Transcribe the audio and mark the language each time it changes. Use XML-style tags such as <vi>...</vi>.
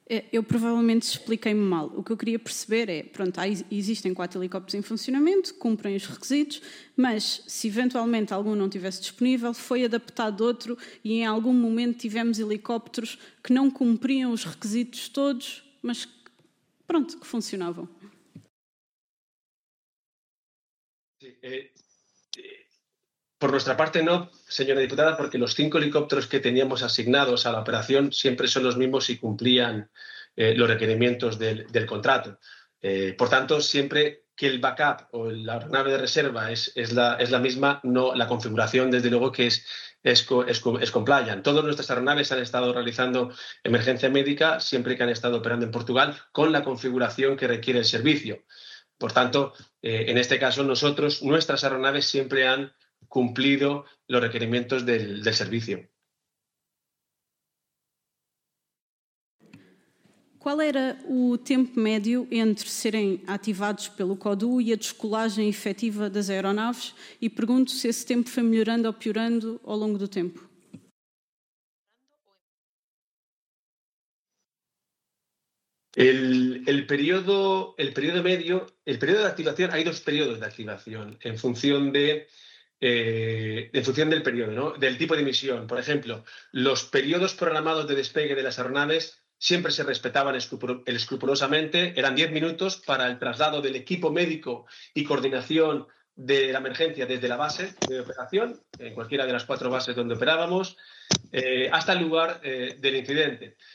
<pt>Eu provavelmente expliquei-me mal. O que eu queria perceber é, pronto, existem 4 helicópteros em funcionamento, cumprem os requisitos, mas se eventualmente algum não estivesse disponível, foi adaptado outro e em algum momento tivemos helicópteros que não cumpriam os requisitos todos, mas pronto, que funcionavam.</pt> <es>Por nuestra parte no, señora diputada, porque los 5 helicópteros que teníamos asignados a la operación siempre son los mismos y cumplían los requerimientos del contrato. Por tanto, siempre que el backup o la aeronave de reserva es la misma, no, la configuración desde luego que es compliant. Todas nuestras aeronaves han estado realizando emergencia médica siempre que han estado operando en Portugal con la configuración que requiere el servicio. Por tanto, en este caso nuestras aeronaves siempre han cumplido los requerimientos del servicio.</es> <pt>¿Cuál era o tempo médio entre serem ativados pelo CODU e a descolagem efetiva das aeronaves? E pergunto se esse tempo foi melhorando ou piorando ao longo do tempo.</pt> <es>El periodo de activación, hay dos periodos de activación en función de del periodo, ¿no? Del tipo de misión. Por ejemplo, los periodos programados de despegue de las aeronaves siempre se respetaban escrupulosamente, eran 10 minutos para el traslado del equipo médico y coordinación de la emergencia desde la base de operación, en cualquiera de las cuatro bases donde operábamos, hasta el lugar del incidente.</es>